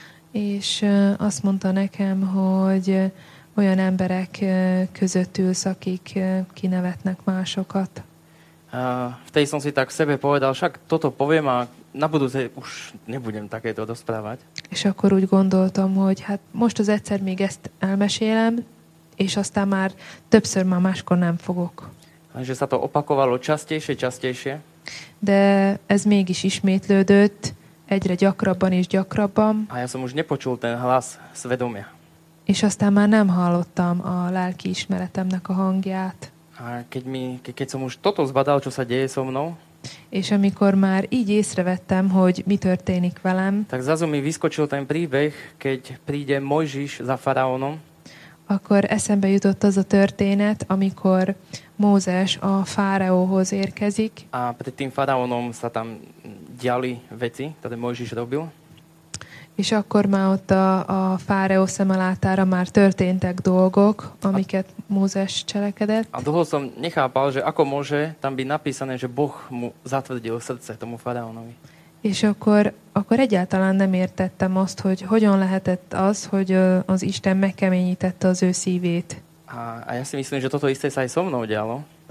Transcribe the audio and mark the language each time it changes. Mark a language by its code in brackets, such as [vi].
[hu] És azt mondta nekem, hogy olyan emberek között ülsz, akik kinevetnek másokat. [sk] Vtedy som si tak sebe povedal, však toto poviem a na budúce už nebudem takéto rozprávať. [hu] És akkor úgy gondoltam, hogy hát most az egyszer még ezt elmesélem, és aztán már többször már máskor nem fogok. [sk] Takže sa to opakovalo častejšie, častejšie. [hu] De ez mégis ismétlődött egyre gyakrabban és gyakrabban. [sk] A ja som už nepočul ten hlas svedomia. [hu] És aztán már nem hallottam a lelki ismeretemnek a hangját. [sk] A keď som už toto zbadal, čo sa deje so mnou. [hu] És amikor már így észrevettem, hogy mi történik velem. [sk] Tak zrazu mi vyskočil ten príbeh, keď príde Mojžiš za faraónom. [hu] Akkor eszembe jutott az a történet, amikor Mózes a fáraóhoz érkezik. [sk] A pred tým faraónom sa tam diali veci, ktoré Mojžiš robil. [hu] És akkor már ott a fáraó szemelátára már történtek dolgok, amiket Mózes cselekedett. [sk] A dlho som nechápal, že ako môže tam byť napísané, že Boh mu zatvrdil srdce tomu faraónovi. [hu] És akkor egyáltalán nem értettem azt, hogy hogyan lehetett az, hogy az Isten megkeményítette az ő szívét. [sk] A ja si myslím, že toto isté sa aj so mnou dialo.